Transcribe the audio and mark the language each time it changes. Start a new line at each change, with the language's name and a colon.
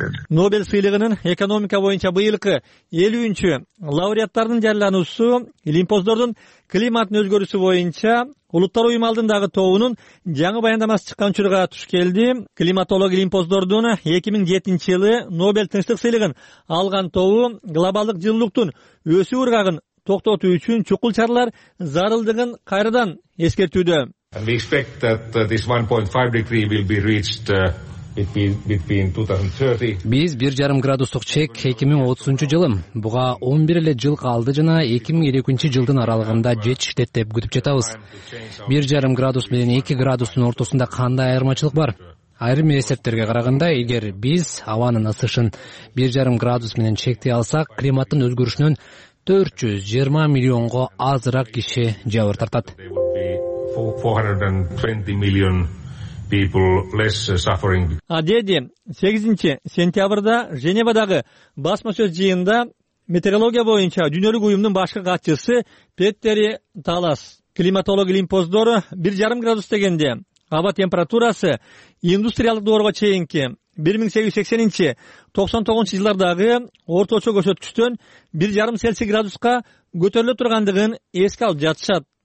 Kyrgyz: Нобель сыйлыгынын экономика боюнча быйылкы 50-үнчү лауреаттардын жарыялануусу илимпоздордун климаттын өзгөрүүсү боюнча улуттар уюму алдындагы тобунун жаңы баяндамасы чыккан учурга туш келди. Климатолог илимпоздордун 2007-жылы Нобель тынчтык сыйлыгын алган тобу глобалдык жылуулуктун өсүү ыргагын токтотуу үчүн чукул чаралар зарылдыгын кайрадан эскертүүдө.
English: And we expect that this 1.5 degree will be reached between 2030.
Kyrgyz: Биз 1.5 градустук чек 2030 жылы, буга 11 эле жыл калды жана 2050 жылдын аралыгында жетиштет деп күтүп жатабыз. 1.5 градус менен 2 градустун ортосунда кандай айырмачылык бар? Айрым эсептерге караганда, эгер биз абанын ысышын 1.5 градус менен чектей алсак, климаттын өзгөрүшүнөн 420 миллионго азыраак киши жабыр тартат.
English: 420 million people less suffering.
Kyrgyz: Адеди 8 сентябрда Женевадагы басмасөз жыйында метеорология боюнча дүйнөлүк уюмдун башкы катчысы Петтери Талас климатолог илимпоздору 1.5 градус дегенде аба температурасы индустриялык доорго чейинки 1880-99 жылдардагы орточо көрсөткүчтөн 1.5 Цельсий градуска көтөрүлө тургандыгын эске алып жатышат.